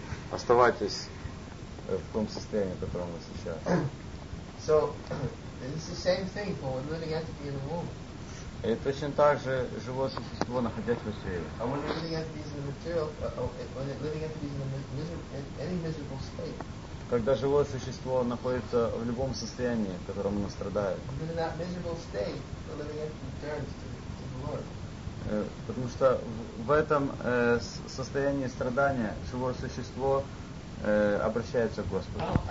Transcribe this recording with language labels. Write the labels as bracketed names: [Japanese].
[Russian] Оставайтесь в том состоянии, в котором вы сейчас. [English] So, it's the same thing for when living entity in the womb. [Russian] И точно так же живое существо, находясь в утробе. [English] And when living entity is in the material, when living entity is in any miserable state. [Russian] Когда живое существо находится в любом состоянии, в котором оно страдает. [English] Even in that miserable state, the living entity turns to the Lord. [Russian] Потому что в этом состоянии страдания живое существо обращается к Господу.